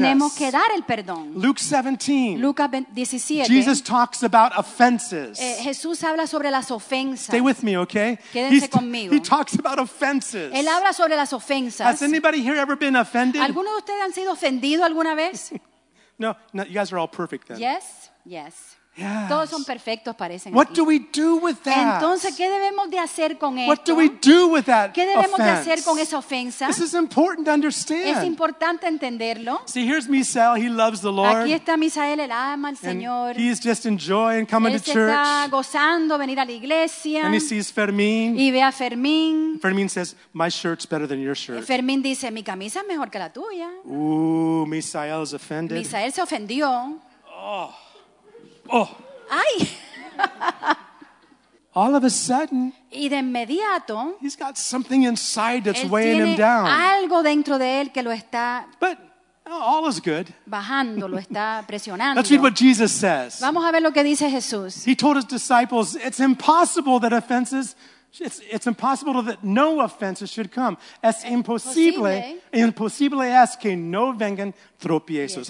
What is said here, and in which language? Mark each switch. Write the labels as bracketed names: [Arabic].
[Spanish] Tenemos que dar el perdón. [English] Luke 17. [Spanish] Lucas 17. [English] Jesus talks about offenses. [Spanish] Jesús habla sobre las ofensas. [English] Stay with me, okay? [Spanish] Quédense conmigo. [English] He talks about offenses. [Spanish] Él habla sobre las ofensas. [English] Has anybody here ever been offended? [Spanish] ¿Alguno de ustedes han sido ofendido alguna vez? [English] No, no, you guys are all perfect then. Yes, yes. Yes. [Spanish] Todos son perfectos, parecen. [English] What [Spanish] aquí. [English] Do we do with that? [Spanish] Entonces, ¿qué debemos de hacer con [English] what [Spanish] esto? [English] What do we do with that [Spanish] ¿qué debemos [English] offense? [Spanish] De hacer con esa ofensa? [English] This is important to understand. [Spanish] Es importante entenderlo. [English] See, here's Misael. He loves the Lord. [Spanish] Aquí está Misael, él ama al Señor. [English] He's just enjoying coming [Spanish] él [English] to church. [Spanish] Él está gozando venir a la iglesia. [English] And he sees Fermín. [Spanish] Y ve a Fermín. [English] Fermín says, "My shirt's better than your shirt." [Spanish] Fermín dice, "Mi camisa es mejor que la tuya." [English] Ooh, Misael is offended. [Spanish] Misael se ofendió. Oh. Oh. Ay. [English] All of a sudden, [Spanish] y de inmediato, [English] he's got something inside that's [Spanish] él [English] weighing him down. [Spanish] Algo dentro de él que lo está [English] but all is good. [Spanish] Bajando, lo está presionando. [English] Let's read what Jesus says. [Spanish] Vamos a ver lo que dice Jesús. [English] He told his disciples, it's impossible that offenses, it's impossible that no offenses should come. [Spanish] Es imposible, imposible es que no vengan tropiezos.